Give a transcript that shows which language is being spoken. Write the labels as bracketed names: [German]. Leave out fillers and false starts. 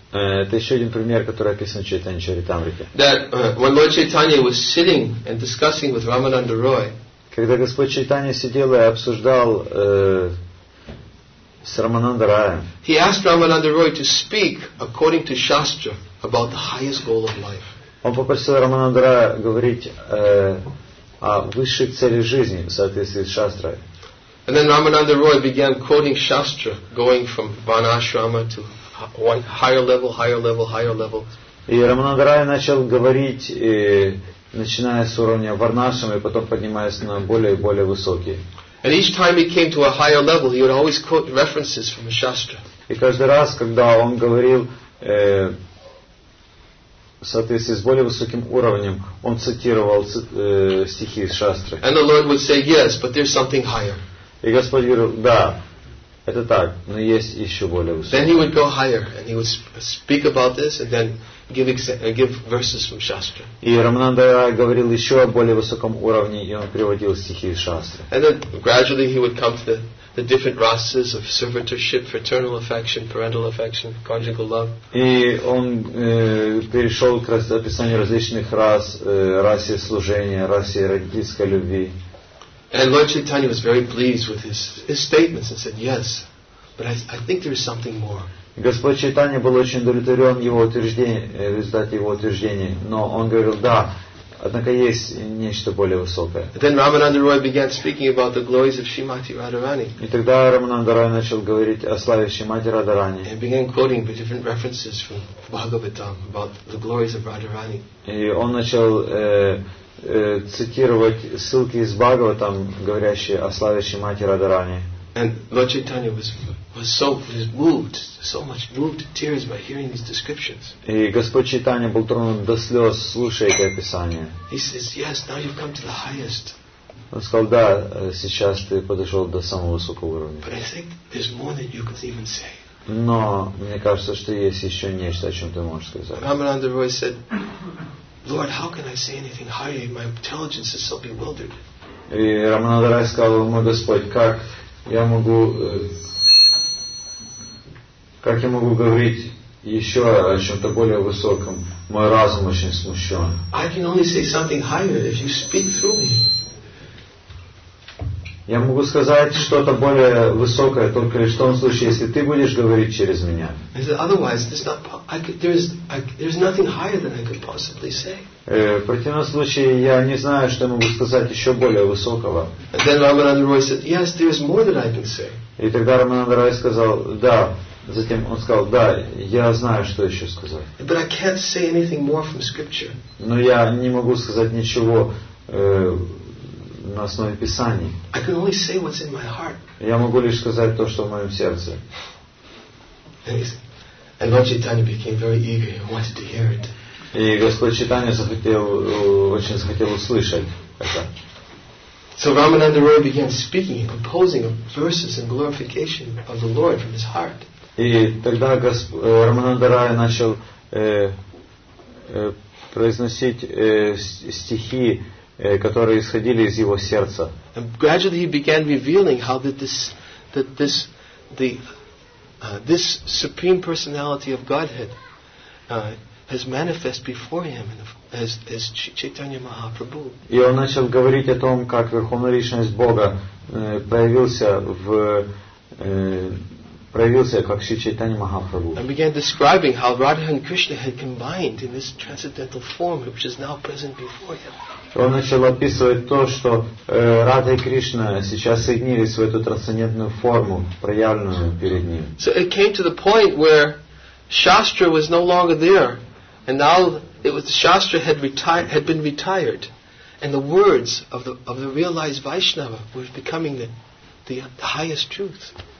[Russian] Это еще один пример, который описан в Чайтанья Чаритамрите. [English] That when Lord Chaitanya was sitting and discussing with Ramananda Roy. [Russian] Когда Господь Чайтанья сидел и обсуждал с Рамананда Роем. [English] He asked Ramananda Roy to speak according to Shastra about the highest goal of life. [Russian] Он попросил Рамананда Роя говорить о высшей цели жизни в соответствии с Шастрой. [English] And then Ramananda Roy began quoting Shastra, going from Vanashrama to one higher level, higher level, higher level. [Russian] И Рамананда Роя начал говорить, начиная с уровня Варнашрамы, и потом поднимаясь на более и более высокие. [English] And each time he came to a higher level, he would always quote references from a Shastra. [Russian] И каждый раз, когда он говорил в соответствии с более высоким уровнем, он цитировал стихи из Шастры. [English] And the Lord would say, yes, but there's something higher. [Russian] И Господь говорил, да, это так, но есть еще более высокое. [English] Then he would go higher, and he would speak about this, and then give verses from Shastra. [Russian] И Рамананда говорил еще о более высоком уровне, и он приводил стихи из Шастры. [English] And then gradually he would come to the different rasas of servitorship, fraternal affection, parental affection, conjugal love. [Russian] И он перешел к описанию различных рас, расе служения, расе родительской любви. [English] And Lord Chaitanya was very pleased with his statements and said, yes, but I think there is something more. [Russian] Господь Чайтанья был очень удовлетворен его утверждением, результате его утверждений, но он говорил, да, Однако есть нечто более высокое. [English] Then Ramananda Roy began speaking about the glories of Shrimati Radharani. [Russian] И тогда Рамананда Рой начал говорить о славе Шримати Радхарани. [English] He began quoting different references from Bhagavatam about the glories of Radharani. [Russian] И он начал цитировать ссылки из Бхагаватам, говорящие о славе Шримати Радхарани. [English] And Lord Chaitanya was moved, so much moved to tears by hearing these descriptions. [Russian] И Господь Чайтанья был тронут до слез, слушая эти описания. [English] He says, "Yes, now you've come to the highest." [Russian] Он сказал, да, сейчас ты подошел до самого высокого уровня. [English] But I think there's more than you can even say. [Russian] Но мне кажется, что есть еще нечто, о чем ты можешь сказать. [English] Ramananda Roy said, "Lord, how can I say anything higher? My intelligence is so bewildered." [Russian] И Рамананда Рой сказал, мой Господь, как я могу, как я могу говорить еще о чем-то более высоком? Мой разум очень смущен. [English] I can only say something higher if you speak through me. [Russian] Я могу сказать что-то более высокое только лишь в том случае, если ты будешь говорить через меня. [English] Otherwise, there's nothing higher than I could possibly say. [Russian] В противном случае я не знаю, что могу сказать еще более высокого. [English] Then Ramananda Roy said, "Yes, there is more than I can say." [Russian] И тогда Рамананда Рой сказал, да. Затем он сказал, да, я знаю, что еще сказать. [English] But I can't say anything more from Scripture. [Russian] Но я не могу сказать ничего на основе Писаний. [English] I can only say what's in my heart. [Russian] Я могу лишь сказать то, что в моем сердце. [English] And Lord Chaitanya became very eager and wanted to hear it. [Russian] И Господь Чайтанья очень захотел услышать это. [English] So Ramananda Roy began speaking and composing verses and glorification of the Lord from his heart. [Russian] И тогда Рамананда Рой начал произносить стихи, которые исходили из его сердца. [English] And gradually he began revealing how this supreme personality of Godhead has manifest before him as Chaitanya Mahaprabhu. [Russian] И он начал говорить о том, как Верховная Личность Бога проявился как Шри Чайтанья Махапрабху. [English] And began describing how Radha and Krishna had combined in this transcendental form which is now present before him. [Russian] Он начал описывать то, что Радха и Кришна сейчас соединились в эту трансцендентную форму, проявленную перед ним. [English] So it came to the point where Shastra was no longer there. And now it was Shastra had been retired. And the words of the realized Vaishnava were becoming the highest truth.